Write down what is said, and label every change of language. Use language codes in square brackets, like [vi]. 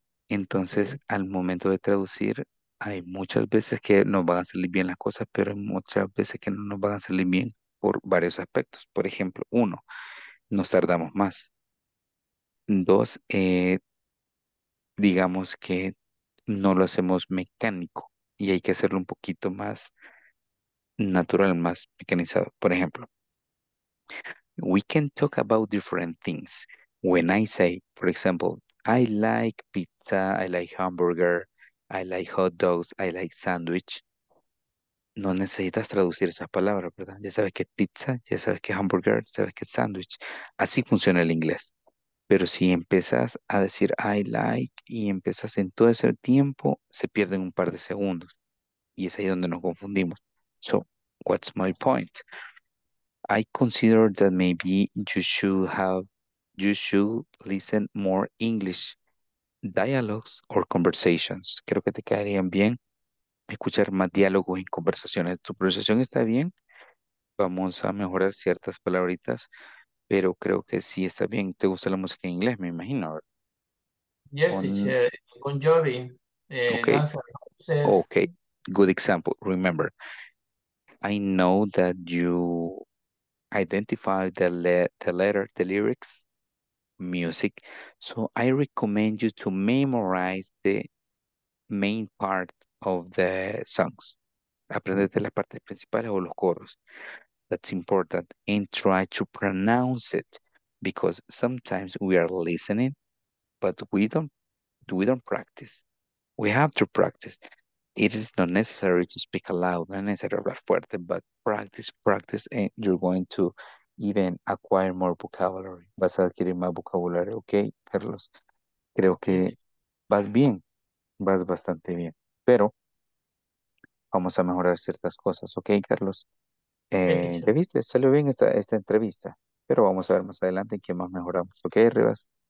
[es] Entonces, sí, al momento de traducir, hay muchas veces que nos van a salir bien las cosas, pero hay muchas veces que no nos van a salir bien, por varios aspectos. Por ejemplo, uno, nos tardamos más. Dos, digamos que no lo hacemos mecánico y hay que hacerlo un poquito más natural, más mecanizado. Por ejemplo, [en] we can talk about different things. When I say, for example, I like pizza, I like hamburger, I like hot dogs, I like sandwich, [es] no necesitas traducir esas palabras, ¿verdad? Ya sabes que es pizza, ya sabes que es hamburger, ya sabes que es sándwich. Así funciona el inglés. Pero si empiezas a decir [en] I like [es] y empiezas en todo ese tiempo, se pierden un par de segundos. Y es ahí donde nos confundimos. [en] So, what's my point? I consider that maybe you should listen more English dialogues or conversations. [es] Creo que te quedarían bien escuchar más diálogos y conversaciones. Tu pronunciación está bien. Vamos a mejorar ciertas palabritas, pero creo que sí está bien. ¿Te gusta la música en inglés? Me imagino. [en] Yes, teacher. Con Jovi. Okay. Says, okay, good example. Remember, I know that you identify the lyrics, music. So I recommend you to memorize the main part of the songs. [es] Aprendete las partes principales o los coros. [en] That's important. And try to pronounce it, because sometimes we are listening, but we don't practice. We have to practice. It is not necessary to speak aloud, not necessary to [es] hablar fuerte, [en] but practice, and you're going to even acquire more vocabulary. [es] Vas a adquirir más vocabulario, okay, Carlos? Creo que vas bien, vas bastante bien, pero vamos a mejorar ciertas cosas, okay, Carlos? ¿Te viste? Salió bien esta entrevista, pero vamos a ver más adelante en qué más mejoramos, okay, Rivas?